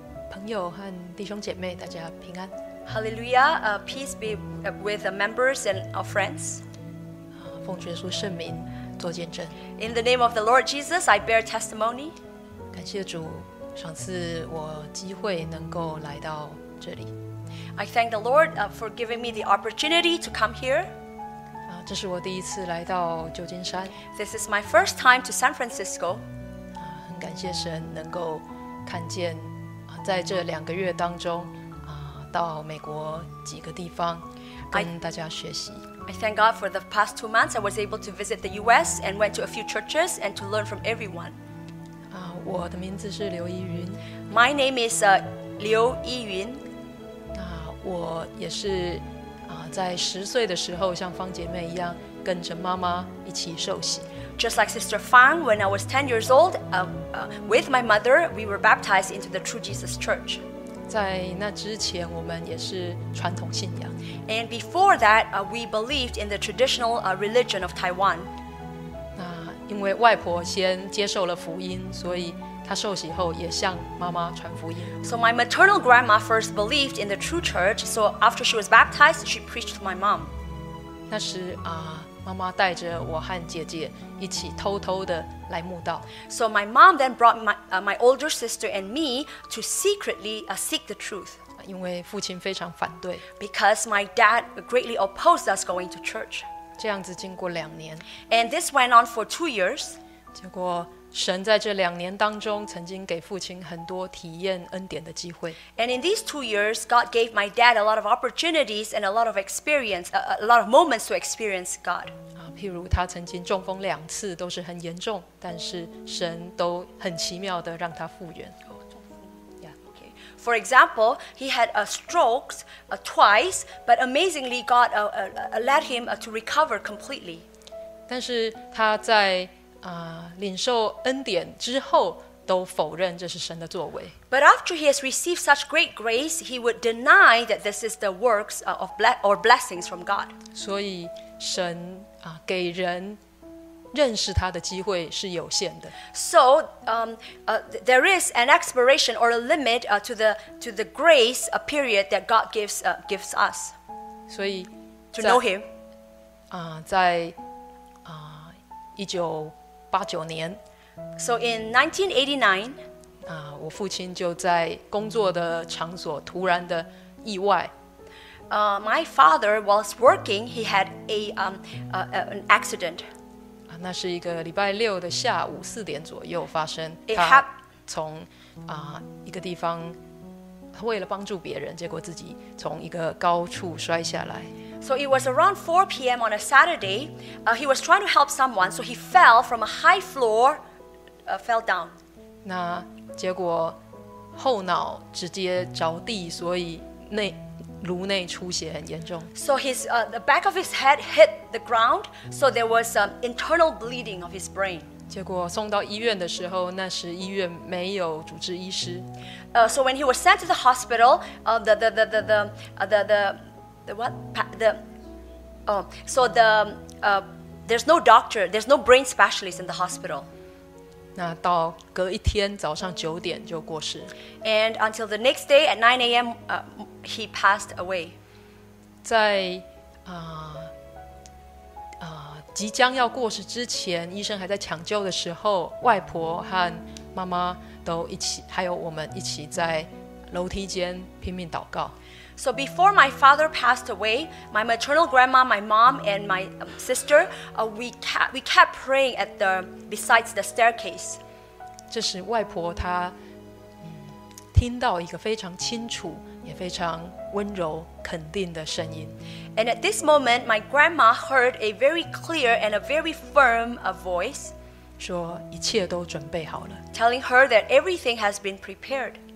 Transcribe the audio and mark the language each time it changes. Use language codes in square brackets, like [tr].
[zh] 朋友和弟兄姐妹大家平安。 [en] Hallelujah, peace be with the members and our friends. [zh] 奉主耶稣圣名做见证。 [en] In the name of the Lord Jesus, I bear testimony. [zh] 感谢主赏赐我机会能够来到这里。 [en] I thank the Lord for giving me the opportunity to come here. [zh] 这是我第一次来到旧金山。 [en] This is my first time to San Francisco. [zh] 很感谢神能够看见在这两个月当中到美国几个地方跟大家学习。 [en] I thank God for the past 2 months I was able to visit the US and went to a few churches and to learn from everyone. [zh] 我的名字是刘依云。 [en] My name is 刘依云。 [zh] 我也是在十岁的时候像方姐妹一样跟着妈妈一起受洗。 [en] Just like Sister Fang, when I was 10 years old, with my mother, we were baptized into the True Jesus Church. [zh] 在那之前，我们也是传统信仰。 [en] And before that, we believed in the traditional religion of Taiwan. [zh] 那因为外婆先接受了福音，所以她受洗后也向妈妈传福音。 [en] So my maternal grandma first believed in the True Church. So after she was baptized, she preached to my mom. [zh] 那时妈妈带着我和姐姐一起偷偷的来慕道。 [en] So my mom then brought my older sister and me to secretly seek the truth. [zh] 因为父亲非常反对。 [en] Because my dad greatly opposed us going to church. [zh] 这样子经过两年。 [en] And this went on for 2 years. [zh] 结果神在这两年当中曾经给父亲很多体验恩典的机会。 [en] And in these 2 years, God gave my dad a lot of opportunities and a lot of experience, a lot of moments to experience God. [zh] 譬如他曾经中风两次都是很严重，但是神都很奇妙的让他复原。 [en] For example, he had strokes twice, but amazingly God allowed him to recover completely. [zh] 但是他在领受恩典之后都否认这是神的作为。 [en] But after he has received such great grace, he would deny that this is the works of blessings from God. [zh] 所以神给人认识他的机会是有限的。 [en] So there is an expiration or a limit to the grace period that God gives us. [zh] 所以 [en] to know him. [zh] 在1989年 [en] So in 1989, [zh] 我父亲就在工作的场所突然的意外。 [en] My father was working, he had an accident. [zh] 那是一个礼拜六的下午4点左右发生。从一个地方为了帮助别人，结果自己从一个高处摔下来。 [en] So it was around 4 p.m. on a Saturday. He was trying to help someone, so he fell from a high floor, fell down. [zh] 那结果后脑直接着地，所以颅内出血很严重。 [en] So the back of his head hit the ground, so there was internal bleeding of his brain. [zh] 结果送到医院的时候，那时医院没有主治医师。 [en] So when he was sent to the hospital, there's no doctor, there's no brain specialist in the hospital. [zh] 那到隔一天早上9点就过世。 [en] And until the next day at 9 a.m., he passed away. [zh] 在即将要过世之前，医生还在抢救的时候，外婆和妈妈都一起，还有我们一起在楼梯间拼命祷告。 [en] So before my father passed away, my maternal grandma, my mom, and my sister, we kept praying at the besides the staircase. [zh] 这时外婆她听到一个非常清楚也非常温柔肯定的声音。 [en] And at this moment, my grandma heard a very clear and a very firm voice. [zh] 说一切都准备好了。 [en] Telling her that everything has been prepared.